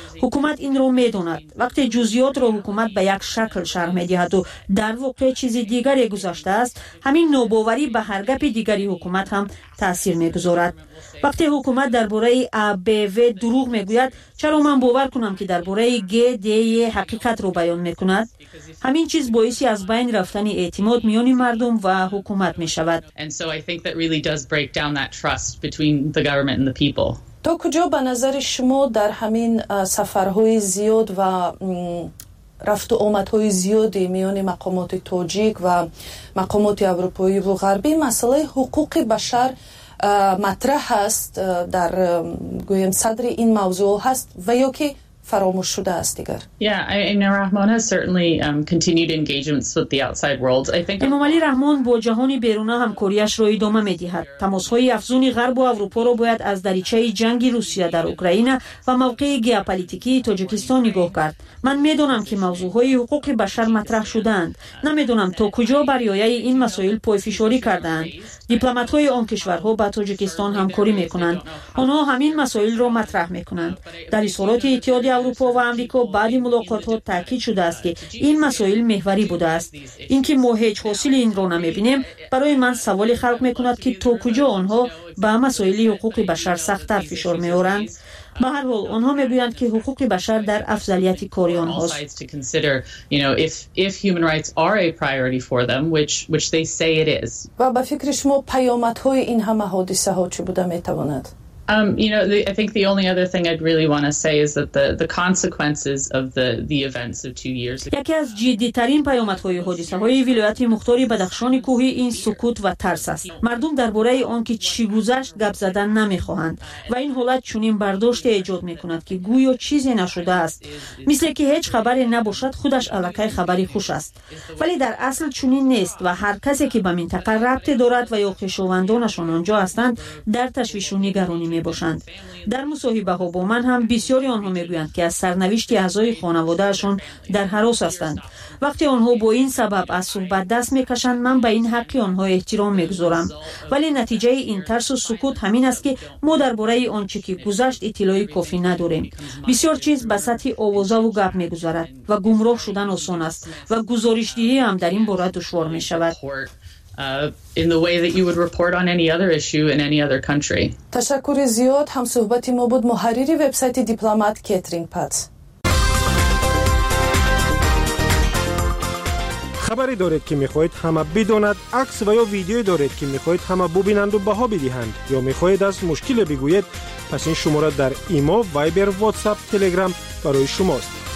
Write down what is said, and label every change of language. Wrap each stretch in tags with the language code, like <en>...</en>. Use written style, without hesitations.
<fa>حکومت این را می داند. وقتی جزئیات را حکومت به یک شکل شرح می دهد و در واقع چیز دیگری گذشته است، همین ناباوری به هر گپ دیگری حکومت هم تأثیر می گذارد. وقتی حکومت درباره ABV دروغ میگوید، چرا من باور کنم که درباره GDE حقیقت رو بیان میکند؟ همین چیز باعث از بین رفتن اعتماد میان مردم و حکومت میشود.</fa> <en>And so I think that really does break down that trust between the government and the people.</en> <fa>تا تو کجا به نظر شما در همین سفرهای زیاد و رفت و آمدهای زیادی میان مقامات تاجیک و مقامات اروپایی و غربی مسئله حقوق بشر مطرح هست در گویم صدر این موضوع هست و یا که فراموش شده است دیگر؟</fa> <en>Rahmon has certainly continued engagements with the outside world. I think</en> <fa>امام علی رحمان با جهان بیرون همکاریش را ادامه می دهد. تماس های افزون غرب و اروپا را باید از دریچه جنگ روسیه در اوکراین و موقع گیاپولیتیکی تاجیکستان نگاه کرد. من می دانم که موضوع های حقوق بشر مطرح شدند. نمی دانم تا کجا برای این مسائل پایفشاری کردند. دیپلمات های آن کشورها با تاجیکستان همکاری می کنند. آنها همین مسائل را مطرح می کنند. در اظهارات اتحاد اروپا و امریکا بعد ملاقات ها تاکید شده است که این مسائل محوری بوده است. اینکه ما هیچ حاصل این را نمی بینیم برای من سوالی خلق می کند که تا کجا آنها به مسائل حقوق بشر سخت‌تر فشار می آورند. به هر حال آنها می گویند که حقوق بشر در افضلیت کاری آنهاست. و به فکر شما پیامد های این همه حادثه ها چی بوده می تواند؟</fa> <en>I think the only other thing I'd really want to say is that the consequences of the events of 2 years ago.</en> <fa>یکی از جدی‌ترین پیامدهای حادثه‌های ولایت مختار بدخشان کوهی این سکوت و ترس است. مردم درباره آن که چی گذشت گپ زدن نمی‌خواهند و این حالت چنین برداشتی ایجاد می‌کند که گویا چیزی نشده است. مثل که هیچ خبری نباشد خودش علاقه خبری خوش است. ولی در اصل چنین نیست و هر کسی که به منطقه ربط دارد و یا خویشاوندانشان آنجا هستند در تشویش و نگرانی می باشند. در مصاحبه ها با من هم بسیاری آنها می گویند که از سرنوشت اعضای خانواده‌شان در هراس هستند. وقتی آنها با این سبب از صحبت دست می کشند من به این حق آنها احترام می گذارم. ولی نتیجه این ترس و سکوت همین است که ما درباره آنچه که گذشت اطلاع کافی نداریم. بسیار چیز به سطح آوازه و گپ می گذارد و گمراه شدن آسان است و گزارش دهی هم در این باره دشوار می شود.</fa> <en>In the way that you would report on any other issue in any other country.</en> <fa>تشکر زیاد هم صحبت ما بود محرری وبسایت دیپلمات کترین پات. خبری دارید که میخواهید همه بدانند، عکس و یا ویدیویی دارید که میخواهید همه ببینند و بها بدهند یا میخواهید از مشکل بگویید، پس این شماره در ایمو، وایبر، واتساپ، تلگرام برای شماست.</fa>